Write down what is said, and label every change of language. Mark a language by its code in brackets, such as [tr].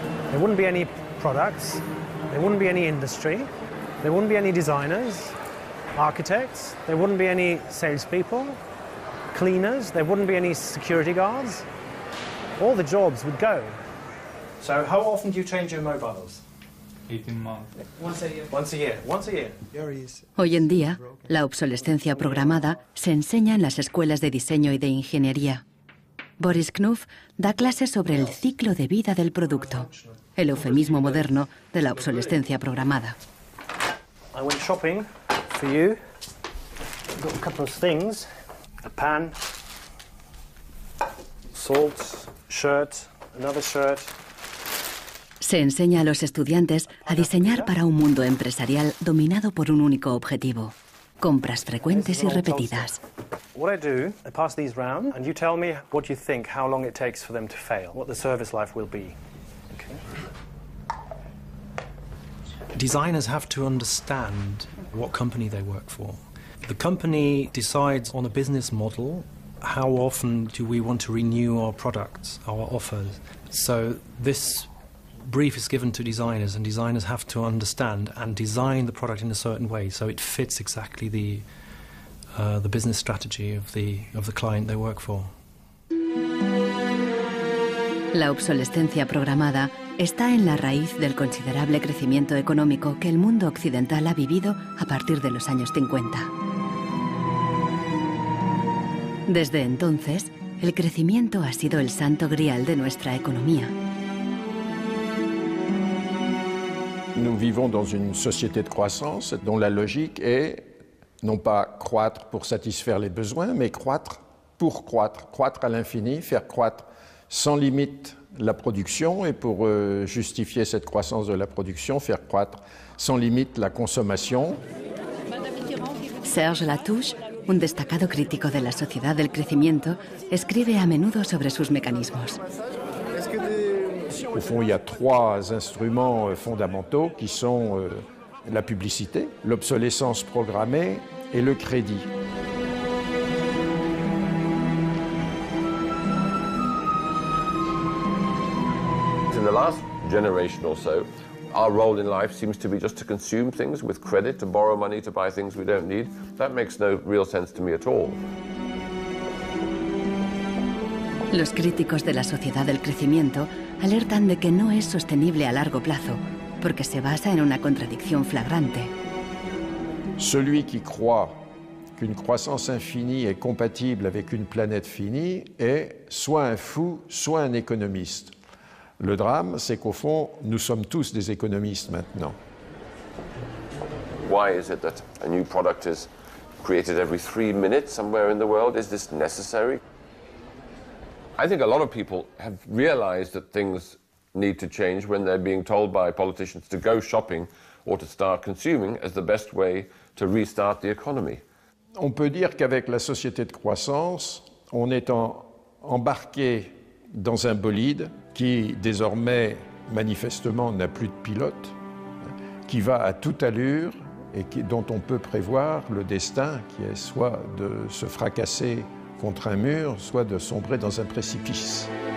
[en] There wouldn't be any products, there wouldn't be any industry, there wouldn't be any designers, architects, there wouldn't be any salespeople, cleaners, there wouldn't be any security guards. All the jobs would go. So how often do you change your mobiles? 18 months. [es] Hoy en día, la obsolescencia programada se enseña en las escuelas de diseño y de ingeniería. Boris Knuff da clases sobre el ciclo de vida del producto, el eufemismo moderno de la obsolescencia programada. [en] I went shopping for you. Got a couple of things: a pan, salt, shirt, another shirt. [es] Se enseña a los estudiantes a diseñar para un mundo empresarial dominado por un único objetivo: compras frecuentes y repetidas. [en] What I do, I pass these round, and you tell me what you think, how long it takes for them to fail, what the service life will be. Designers have to understand what company they work for. The company decides on a business model, how often do we want to renew our products, our offers. So this brief is given to designers, and designers have to understand and design the product in a certain way so it fits exactly the business strategy of the client they work for. [es] La obsolescencia programada está en la raíz del considerable crecimiento económico que el mundo occidental ha vivido a partir de los años 50. Desde entonces, el crecimiento ha sido el santo grial de nuestra economía. [fr] Nous vivons dans une société de croissance dont la logique est non pas croître pour satisfaire les besoins, mais croître pour croître, croître à l'infini, faire croître sans limite la production et pour justifier cette croissance de la production, faire croître sans limite la consommation. [es] Serge Latouche, un destacado crítico de la sociedad del crecimiento, escribe a menudo sobre sus mecanismos. [fr] Au fond, il y a trois instruments fondamentaux qui sont la publicité, l'obsolescence programmée et le crédit. [en] In the last generation or so, our role in life seems to be just to consume things with credit, to borrow money to buy things we don't need. That makes no real sense to me at all. [es] Los críticos de la sociedad del crecimiento alertan de que no es sostenible a largo plazo, porque se basa en una contradicción flagrante. [fr] Celui qui croit qu'une croissance infinie est compatible avec une planète finie est soit un fou, soit un économiste. Le drame, c'est qu'au fond, nous sommes tous des économistes maintenant. [en] Why is it that a new product is created every 3 minutes somewhere in the world? Is this necessary? I think a lot of people have realized that things need to change when they're being told by politicians to go shopping or to start consuming as the best way to restart the economy. [fr] On peut dire qu'avec la société de croissance, on est embarqué dans un bolide qui désormais manifestement n'a plus de pilote, qui va à toute allure et dont on peut prévoir le destin, qui est soit de se fracasser contre un mur, soit de sombrer dans un précipice.